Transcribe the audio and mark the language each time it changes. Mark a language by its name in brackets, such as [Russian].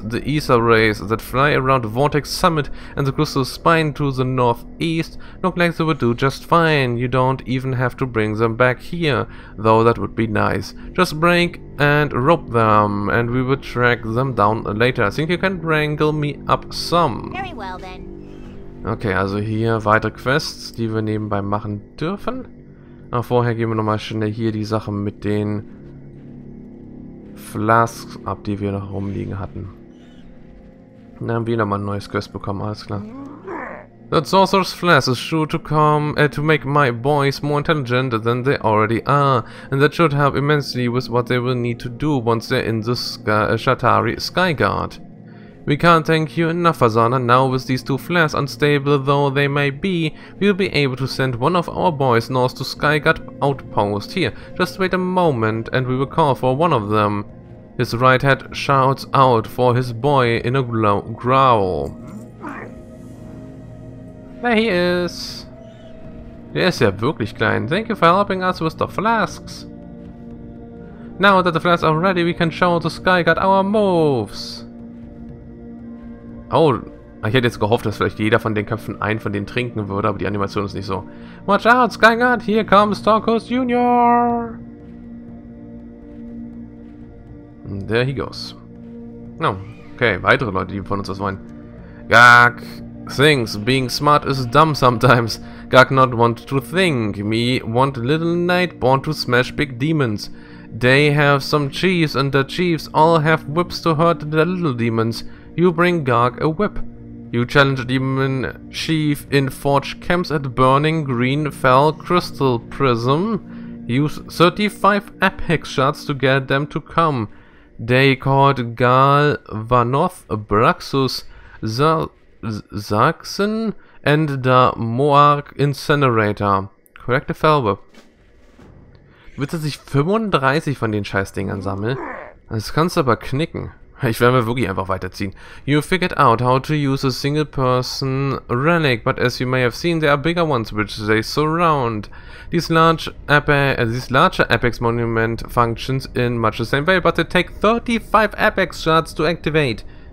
[English] The Aether rays that fly around Vortex Summit and the Crystal Spine to the northeast look like they would do just fine. You don't even have to bring them back here, though that would be nice. Just break and rope them, and we will track them down later. I think you can wrangle me up some. Very well then. [German] Okay, also hier weitere Quests, die wir nebenbei machen dürfen. Aber vorher gehen wir nochmal schnell hier die Sache mit den Flasks ab, die wir noch rumliegen hatten. Dann haben wir nochmal ein neues Quest bekommen, alles klar. [English] That sorcerer's flask is sure to come to make my boys more intelligent than they already are, and that should help immensely with what they will need to do once they're in the Shatari Skyguard. We can't thank you enough, Azana. Now with these two flasks, unstable though they may be, we'll be able to send one of our boys north to Skyguard Outpost. Here, just wait a moment and we will call for one of them. His right hand shouts out for his boy in a growl. There he is. [German] Der ist ja wirklich klein. [English] Thank you for helping us with the flasks. Now that the flasks are ready, we can show the Skyguard our moves. [German] Oh, ich hätte jetzt gehofft, dass vielleicht jeder von den Köpfen einen von denen trinken würde, aber die Animation ist nicht so. [English] Watch out, Skyguard, here comes Torkos Junior. There he goes. [German] Oh, okay, weitere Leute, die von uns das wollen. [English] Gag. Things, being smart is dumb sometimes. Gag not want to think. Me want little knight born to smash big demons. They have some chiefs and the chiefs all have whips to hurt the little demons. You bring Garg a whip. You challenge a demon chief in Forge camps at Burning Green Fell Crystal Prism. Use 35 apex shots to get them to come. They called Gal Vanoth, Braxus, Zaxxon and the Moarg Incinerator. Correct the fell whip. [German] Willst du, dass ich 35 von den Scheißdingern sammle? Das kannst du aber knicken. Ich werde mir wirklich einfach weiterziehen. [English] You figured out how to use a single person relic, but as you may have seen, there are bigger ones which they surround. These larger apex monument functions in much the same way, but they take 35 apex shards to activate.